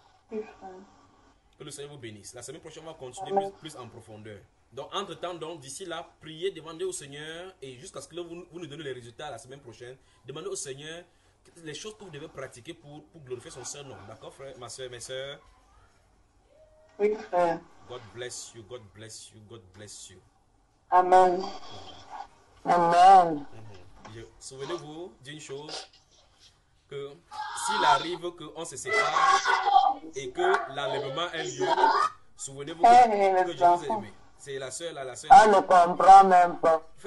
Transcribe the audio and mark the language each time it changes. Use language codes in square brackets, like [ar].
[fr] Que le Seigneur vous bénisse. La semaine prochaine, on va continuer plus en profondeur. Donc, entre-temps, donc, d'ici là, priez, demandez au Seigneur, et jusqu'à ce que vous nous donnez les résultats la semaine prochaine, demandez au Seigneur les choses que vous devez pratiquer pour glorifier son Saint nom. D'accord, frère, ma soeur, mes soeurs? Oui, frère. [en] God bless you, God bless you, God bless you. Amen. Amen. [fr] Souvenez-vous d'une chose, que s'il arrive qu'on se sépare et que l'enlèvement est lieu, souvenez-vous que je vous ai aimé. C'est la seule, là, la seule. Elle ne comprend même pas.